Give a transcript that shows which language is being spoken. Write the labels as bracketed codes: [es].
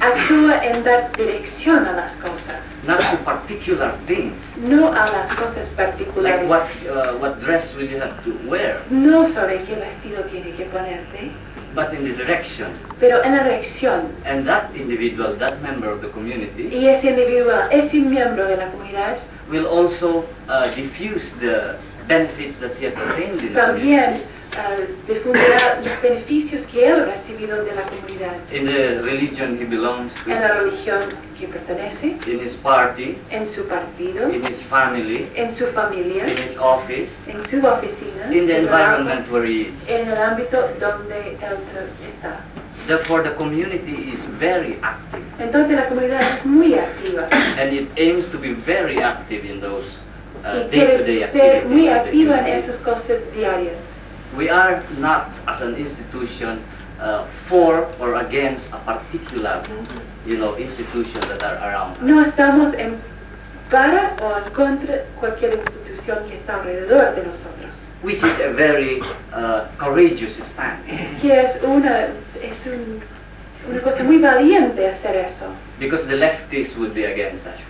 [es] Actúa en dar dirección a las cosas. [en] Not to particular things. [es] No a las cosas particulares. [en] Like what dress will you have to wear. [es] No sobre qué vestido tiene que ponerte. [en] But in the direction. [es] Pero en la dirección. [en] And that individual, that member of the community. [es] Y ese individual, ese miembro de la comunidad. [en] Will also diffuse the benefits that he has obtained in [es] también. Difundirá los beneficios que él ha recibido de la comunidad. [en] In the religion he belongs to. [es] En la religión que pertenece. [en] In his party. [es] En su partido. [en] In his family. [es] En su familia. [en] In his office. [es] En su oficina. [en] In the environment where he is. [es] En el ámbito donde él está. [en] Therefore, the community is very active. [es] Entonces la comunidad es muy activa. [en] And it aims to be very active in those day-to-day activities. [es] Y ser muy activa en esas cosas diarias. [en] We are not, as an institution, for or against a particular, you know, institution that are around. [es] No estamos en para o en contra cualquier institución que está alrededor de nosotros. [en] Which is a very courageous stand. [es] Que es una cosa muy valiente hacer eso. [en] Because the leftists would be against us.